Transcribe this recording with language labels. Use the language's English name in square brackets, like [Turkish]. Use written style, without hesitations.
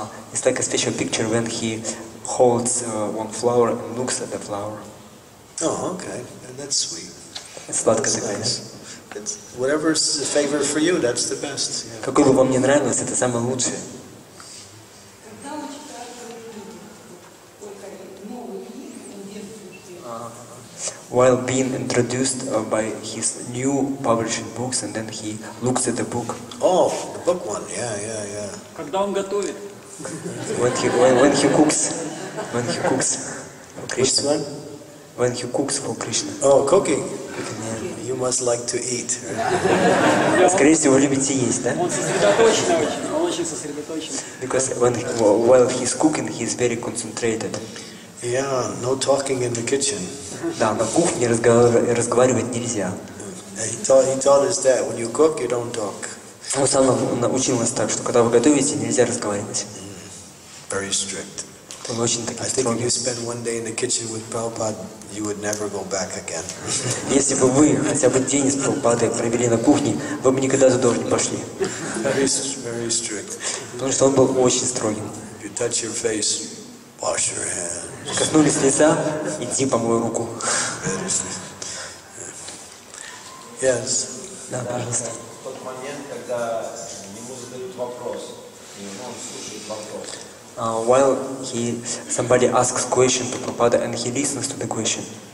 [English] It's like a special picture when he holds one flower and looks at the flower. Oh, okay. That's sweet. It's [Russian] сладко такое. [English] Nice. It's whatever's the favorite for you, that's the best. Yeah. [Russian] Какой бы вам не нравилось, это самое лучшее. [English] While being introduced by his new published books, and then he looks at the book. Oh, the book one, yeah. [Russian] Когда он готовит. [English] When he cooks for Krishna. Which one? When he cooks for Krishna. Oh, cooking. You must like to eat. [Russian] Скорее всего, вы любите есть, да? Он очень сосредоточен. [English] Because while he's cooking, he's very concentrated. Yeah, no talking in the kitchen. [Russian] Да, на кухне разговаривать нельзя. [English] He taught us that when you cook, you don't talk. [Russian] Он сам научил нас так, что когда вы готовите, нельзя разговаривать. [English] Very strict. [Russian] Он очень такой строгий. [English] I think if you spend one day in the kitchen with Prabhupada, you would never go back again. [Russian] Если бы вы хотя бы день с Прабхупадой провели на кухне, вы бы никогда туда не пошли. [English] Very strict. [Russian] Потому что он был очень строгим. [English] You touch your face, wash your hands. [Russian] Коснулись лица, иди помой руку. [English] Yes. [Russian] Да, пожалуйста. Тот момент, когда ему задают вопрос, и он слушает вопрос. [English] While he somebody asks question to Prabhupada and he listens to the question.